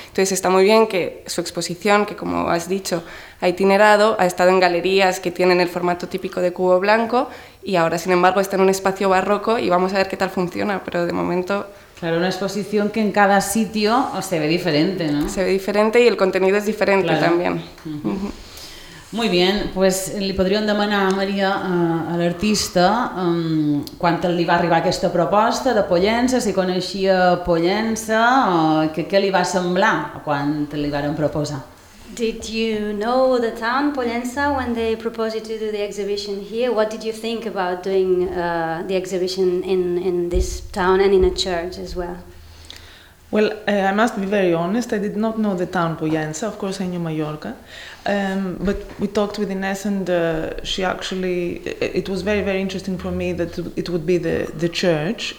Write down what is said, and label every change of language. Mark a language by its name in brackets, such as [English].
[Spanish] Entonces está muy bien que su exposición, que como has dicho ha itinerado, ha estado en galerías que tienen el formato típico de cubo blanco, y ahora sin embargo está en un espacio barroco, y vamos a ver qué tal funciona, pero de momento... Claro, una exposición que en cada sitio se ve diferente, ¿no? Se ve diferente y el contenido es diferente, claro. También. Uh-huh. Muy bien, pues [Catalan] li podríem demanar a Maria, a l'artista, quan li va arribar aquesta proposta de Pollença, si coneixia Pollença, què li va semblar quan li varen proposar. [English] Did you know the town Pollença when they proposed to do the exhibition here? What did you think about doing the exhibition in this town and in a church as well? Well, I must be very honest, I did not know the town Pollença. Of course I knew Mallorca, but we talked with Ines, and she actually, it was very, very interesting for me that it would be the church.